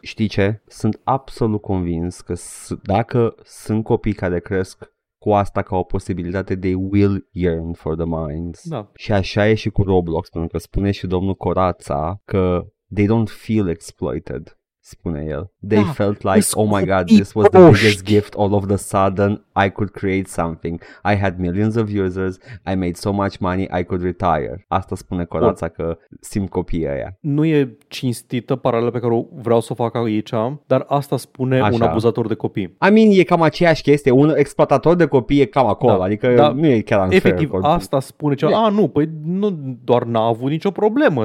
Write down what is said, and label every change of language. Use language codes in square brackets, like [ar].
[ro] Știi ce? Sunt absolut convins că dacă sunt copii care cresc cu asta ca o posibilitate, they will yearn for the mines. Da. Și așa e și cu Roblox, pentru că spune și domnul Corazza că they don't feel exploited, spune el. [en] They felt like, oh my god, this was the biggest gift. All of the sudden, I could create something. I had millions of users. I made so much money, I could retire. [ro] Asta spune Corazza că simt copiii aia. Nu e cinstită paralela pe care vreau să o fac aici, dar asta spune un abuzator de copii. I mean, e cam aceeași chestie. Un exploatator de copii e cam acolo. Adică nu e chiar unfair. Efectiv, asta spune ceva. Nu, doar n-a avut nicio problemă.